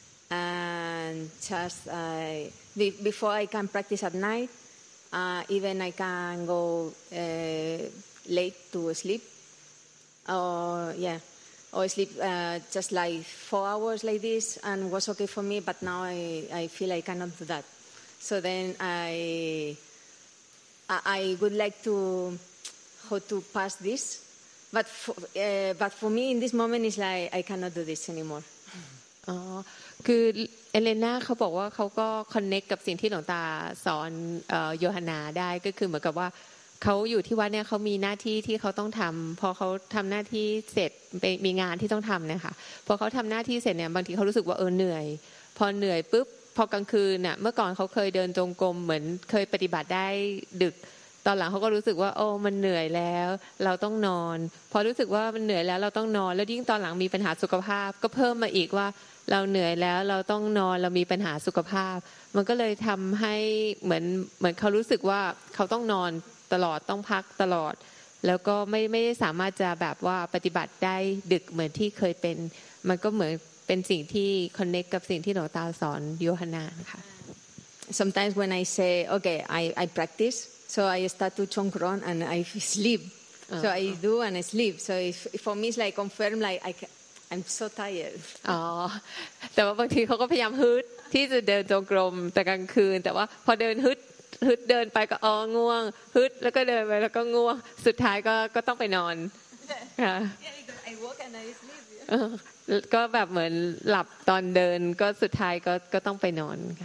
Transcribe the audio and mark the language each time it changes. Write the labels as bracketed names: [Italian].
[English] And just before I can practice at night,even I can go late to sleep, or sleep just like 4 hours like this, and was okay for me. But now I feel I cannot do that. So then I would like to how to pass this, but for me in this moment is like I cannot do this anymore. [Thai] คือเอเลน่าเขาบอกว่าเขาก็คอนเนคกับสิ่งที่หลวงตาสอนโยฮานาได้ก็คือเหมือนกับว่าเขาอยู่ที่วัดเนี่ยเขามีหน้าที่ที่เขาต้องทำพอเขาทำหน้าที่เสร็จไปมีงานที่ต้องทำเนี่ยค่ะพอเขาทำหน้าที่เสร็จเนี่ยบางทีเขารู้สึกว่าเหนื่อยพอเหนื่อยปุ๊บพอกลางคืนน่ะเมื่อก่อนเขาเคยเดินจงกรมเหมือนเคยปฏิบัติได้ ดึกตอนหลังเขาก็รู้สึกว่าโอ้มันเหนื่อยแล้วเราต้องนอนพอรู้สึกว่ามันเหนื่อยแล้วเราต้องนอนแล้วยิ่งตอนหลังมีปัญหาสุขภาพก็เพิ่มมาอีกว่าเราเหนื่อยแล้วเราต้องนอนเรามีปัญหาสุขภาพมันก็เลยทําให้เหมือนเขารู้สึกว่าเขาต้องนอนตลอดต้องพักตลอดแล้วก็ไม่สามารถจะแบบว่าปฏิบัติได้ดึกเหมือนที่เคยเป็นมันก็เหมือนเป็นสิ่งที่คอนเนคกับสิ่งที่หลวงตาสอนโยฮานานะคะ [English] Sometimes when I say okay I practice so I start to chongron and I sleep so I do and I sleep so if for me it's like confirm like I'm so tired [Thai] อ๋อแต่ว่าบางทีเขาก็พยายามฮึดที่จะเดินจงกรมแต่กลางคืนแต่ว่าพอเดินฮึดเดินไปก็อ๋อง่วงฮึดแล้วก็เดินไปแล้วก็ง่วงสุดท้ายก็ต้องไปนอนค่ะ [English] Yeah I walk and I sleep [Thai] ก็แบบเหมือนหลับตอนเดินก็สุดท้ายก็ต้องไปนอนค